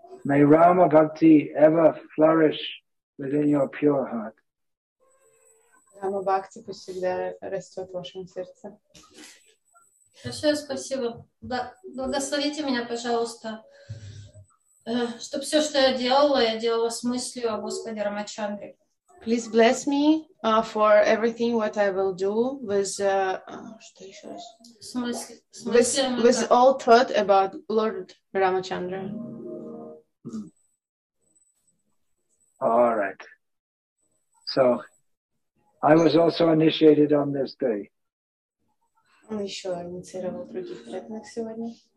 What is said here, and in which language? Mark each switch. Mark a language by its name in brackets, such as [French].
[English] May Rama Bhakti ever flourish within your pure heart. [Russian] Рама Бхакти пусть всегда растет в вашем сердце. Большое спасибо. Благословите меня, пожалуйста, чтобы все, что я делала с мыслью о Господе Рамачандре. [English] Please bless me for everything what I will do with [Russian] что еще раз? [English] With all thought about Lord Рамачандра. All right. So I was also initiated on this day. [Russian] Он еще инициировал других преданных сегодня.